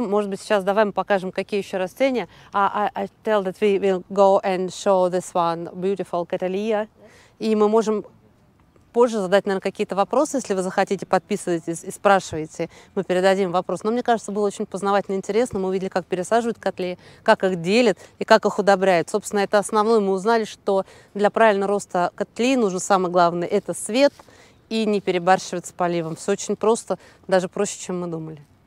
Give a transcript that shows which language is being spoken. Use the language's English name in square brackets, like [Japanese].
[Russian] Может быть, сейчас давай мы покажем, какие еще растения. [English] I tell that we will go and show this one beautiful catalia. Yes. [Russian] И мы можем позже задать, наверное, какие-то вопросы, если вы захотите, подписывайтесь и спрашивайте. Мы передадим вопрос. Но мне кажется, было очень познавательно и интересно. Мы увидели, как пересаживают катлии, как их делят и как их удобряют. Собственно, это основное. Мы узнали, что для правильного роста катлии нужен самый главный – это свет и не перебарщивать с поливом. Все очень просто, даже проще, чем мы думали.